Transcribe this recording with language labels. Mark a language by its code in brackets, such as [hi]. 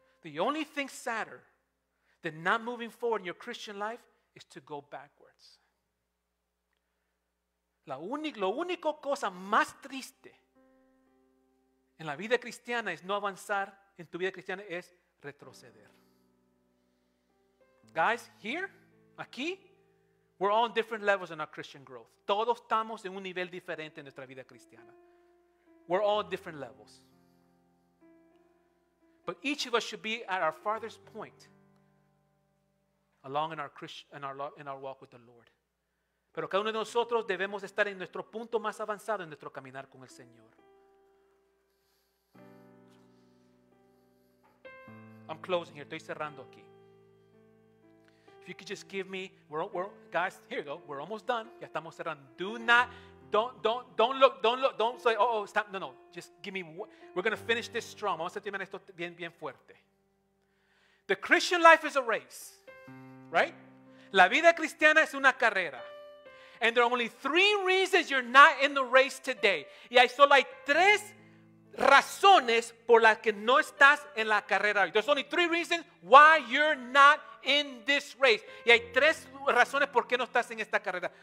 [en] The only thing sadder than not moving forward in your Christian life is to go backwards. [es] Lo único cosa más triste en la vida cristiana es no avanzar en tu vida cristiana es retroceder. [en] Guys, here, aquí, we're all on different levels in our Christian growth. [es] Todos estamos en un nivel diferente en nuestra vida cristiana. [en] We're all different levels. But each of us should be at our farthest point along in our walk with the Lord. [es] Pero cada uno de nosotros debemos estar en nuestro punto más avanzado en nuestro caminar con el Señor. [en] I'm closing here. [es] Estoy cerrando aquí. [en] If you could just give me, guys, here you go. We're almost done. [es] Ya estamos cerrando. [en] Don't look. Don't say, stop. No. Just give me, we're going to finish this strong. [es] Vamos a terminar esto bien, bien fuerte. [en] The Christian life is a race, right? [es] La vida cristiana es una carrera. [en] And there are only 3 reasons you're not in the race today. [es] Y hay solo 3 razones por las que no estás en la carrera. [en] There's only 3 reasons why you're not in this race. [es] Y hay 3 razones por qué no estás en esta carrera.